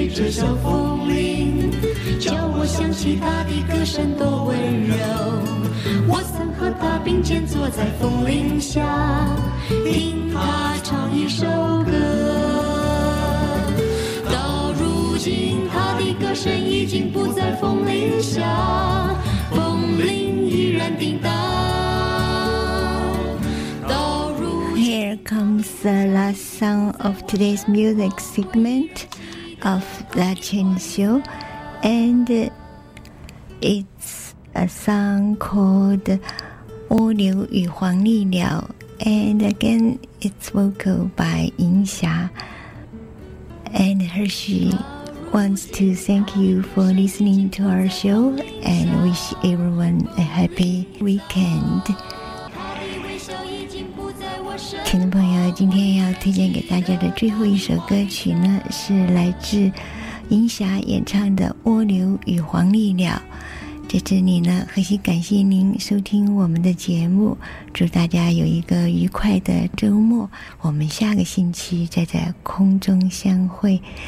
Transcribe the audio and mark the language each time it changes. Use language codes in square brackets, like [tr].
[zh] 小风铃叫我想起他的歌声多温柔，我曾和他并肩坐在风铃下，听他唱一首歌。到如今他的歌声已经不在风铃下，风铃依然叮当。到如今 [en] Here comes the last song of today's music segmentOf La Chen Xiu, and it's a song called Wo Liu Yu Huang Li Liao, and again it's vocal by Yin Xia. And Hershey wants to thank you for listening to our show and wish everyone a happy weekend. [zh] 听众朋友，今天要推荐给大家的最后一首歌曲呢，是来自银霞演唱的《蜗牛与黄鹂鸟》。在这里呢，何西感谢您收听我们的节目，祝大家有一个愉快的周末，我们下个星期再在空中相会。